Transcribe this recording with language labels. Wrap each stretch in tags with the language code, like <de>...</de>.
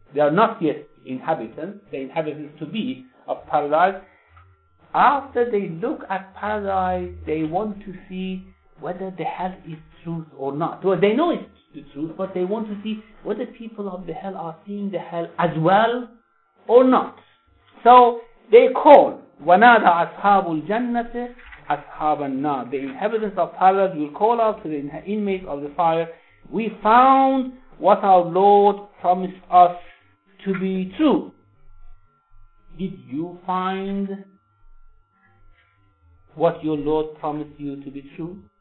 <en>They are not yet inhabitants. The inhabitants to be of paradise. After they look at paradise, they want to see whether the hell is truth or not. Well, they know it's the truth, but they want to see whether people of the hell are seeing the hell as well or not. So they call,</en> <ar>وَنَادَ أَصْحَابُ الْجَنَّةِ أَصْحَابَ النَّارِ.</ar> <en>The inhabitants of paradise will call out to the inmates of the fire, we found what our Lord promised us to be true. Did you find what your Lord promised you to be true?</en>